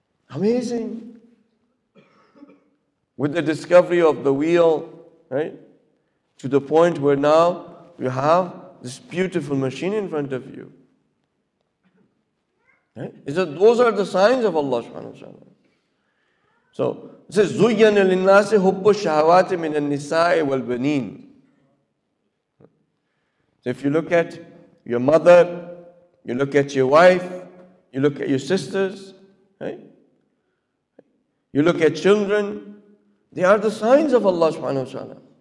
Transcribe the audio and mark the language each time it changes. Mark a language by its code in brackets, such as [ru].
[en] Amazing. With the discovery of the wheel, right, to the point where now you have this beautiful machine in front of you. Right? So those are the signs of Allah subhanahu wa ta'ala. So, it says, [ar] زُيَّنَ لِلنَّاسِ حُبُّ الشَّهَوَاتِ مِنَ النِّسَاءِ وَالْبَنِينَ. [en] If you look at your mother, you look at your wife, you look at your sisters, right? You look at children, they are the signs of Allah subhanahu wa ta'ala.